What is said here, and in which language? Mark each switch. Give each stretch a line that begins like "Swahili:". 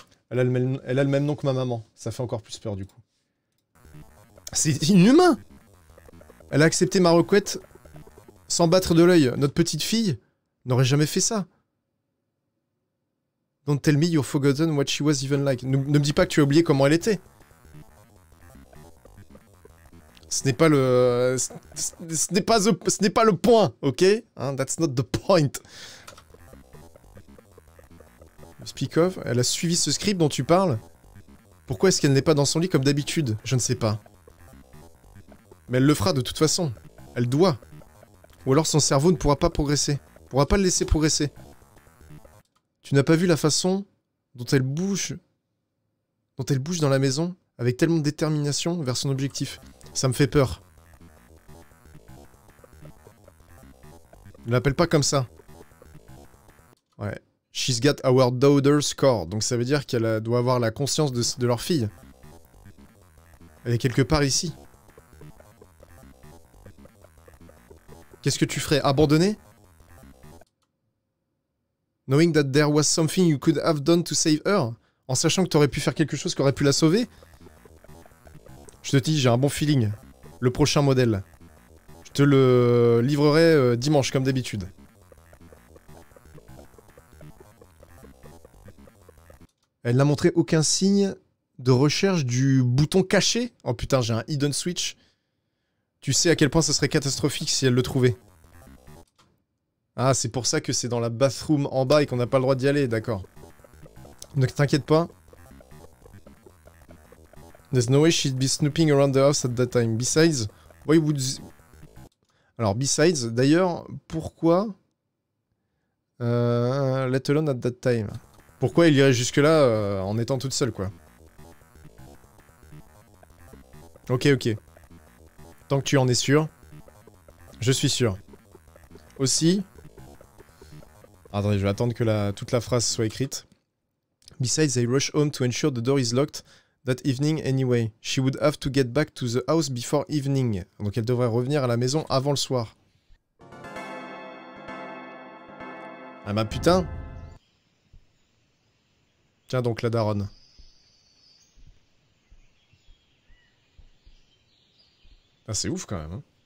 French: Elle a le même nom que ma maman. Ça fait encore plus peur du coup. C'est inhumain. Elle a accepté ma requête sans battre de l'œil. Notre petite fille n'aurait jamais fait ça.
English: Don't tell me you've forgotten what she was even like.
French: Ne me dis pas que tu as oublié comment elle était. Ce n'est pas le point, ok, hein, that's not the point. Speak of, elle a suivi ce script dont tu parles. Pourquoi est-ce qu'elle n'est pas dans son lit comme d'habitude? Je ne sais pas. Mais elle le fera de toute façon. Elle doit. Ou alors son cerveau ne pourra pas progresser. Pourra pas le laisser progresser. Tu n'as pas vu la façon dont elle bouge. Dont elle bouge dans la maison avec tellement de détermination vers son objectif. Ça me fait peur. Ne l'appelle pas comme ça. Ouais. She's got our daughter's core. Donc ça veut dire qu'elle doit avoir la conscience de leur fille. Elle est quelque part ici. Qu'est-ce que tu ferais? Abandonner?
English: Knowing that there was something you could have done to save her?
French: En sachant que t'aurais pu faire quelque chose qui aurait pu la sauver? Je te dis, j'ai un bon feeling. Le prochain modèle. Je te le livrerai dimanche, comme d'habitude. Elle n'a montré aucun signe de recherche du bouton caché. Oh putain, j'ai un hidden switch. Tu sais à quel point ça serait catastrophique si elle le trouvait. Ah, c'est pour ça que c'est dans la bathroom en bas et qu'on n'a pas le droit d'y aller, d'accord. Ne t'inquiète pas.
English: There's no way she'd be snooping around the house at that time. Besides, why would... Alors, besides, d'ailleurs, pourquoi... let alone at that time.
French: Pourquoi il irait jusque-là en étant toute seule, quoi. Ok, ok. Tant que tu en es sûr. Je suis sûr. Aussi... Attendez, je vais attendre que toute la phrase soit écrite.
English: Besides, I rush home to ensure the door is locked. That evening anyway, she would have to get back to the house before evening.
French: Donc elle devrait revenir à la maison avant le soir. Ah bah putain. Tiens donc la daronne. Ah c'est ouf quand même. Hein.